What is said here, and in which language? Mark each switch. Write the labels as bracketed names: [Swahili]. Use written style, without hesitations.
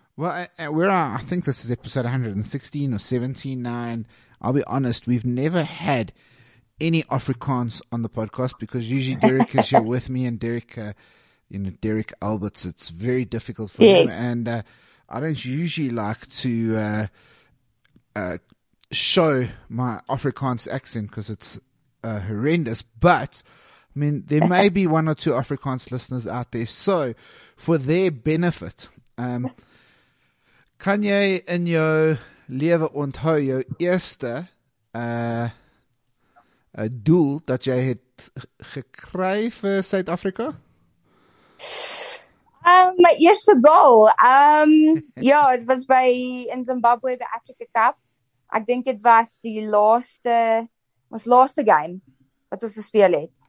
[English] Well, I think this is episode 116 or 17 now, and I'll be honest, we've never had any Afrikaans on the podcast because usually Derek is here with me, and Derek, Derek Alberts, it's very difficult for him. And I don't usually like to show my Afrikaans accent because it's horrendous, but I mean, there may be one or two Afrikaans listeners out there. So for their benefit, [Afrikaans] kan jy in jou lewe onthou jou eerste doel dat jy het gekry vir Suid-Afrika? My eerste goal. [English] it was in Zimbabwe by Africa Cup. [Afrikaans] Ek dink dit was die laaste game wat ons gespeel het.